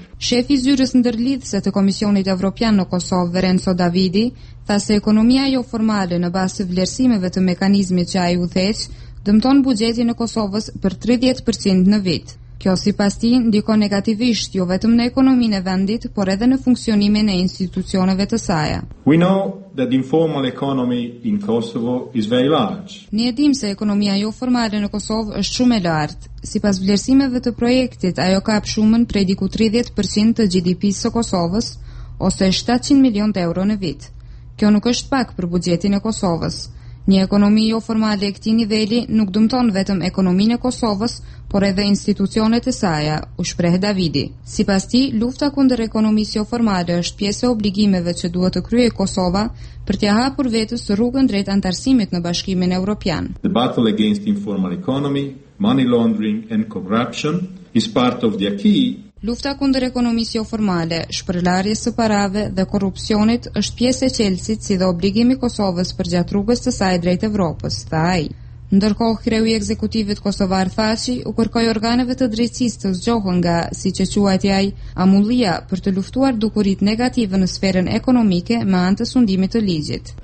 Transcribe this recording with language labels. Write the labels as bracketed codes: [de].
[sq] Shefi zyrës ndërlidhëse të Komisionit Evropian në Kosovë, Verenzo Davidi, tha se ekonomia jo formale në bazë të vlerësimeve të mekanizmit që ai u theq, dëmton buxhetin e Kosovës për 30% në vit. Kjo sipas tij ndikon negativisht jo vetëm në ekonominë e vendit, por edhe në funksionimin e institucioneve të saj. [en] We know that the informal economy in Kosovo is very large. [sq] Ne dim se ekonomia jo formale në Kosovë është shumë e lartë. Sipas vlerësimeve të projektit, ajo kap shumën prej diku 30% të GDP-së së Kosovës ose 700 milion euro në vit. Kjo nuk është pak për buxhetin e Kosovës. Një ekonomi jo formale e këtij niveli nuk dëmton vetëm ekonominë e Kosovës, por edhe institucionet e saja, u shpreh Davidi. Sipas tij, lufta kundër ekonomisë jo formale është pjesë e obligimeve që duhet të kryej Kosova për t'ia hapur vetes rrugën drejt antarësimit në Bashkimin Evropian. [en] The battle against informal economy, money laundering and corruption is part of the key. [sq] Lufta kundër ekonomisë jo formale, shpërlarjes së parave dhe korrupsionit është pjesë e qelësit si dhe obligimi Kosovës për gjatë rrugës të saj drejt Evropës, tha ai. Ndërkohë, kreu i ekzekutivit kosovar Thaçi u kërkoi organeve të drejtësisë të zgjohen nga, siç e quajti ai, amullia për të luftuar dukuritë negative në sferën ekonomike me anë të sundimit të ligjit.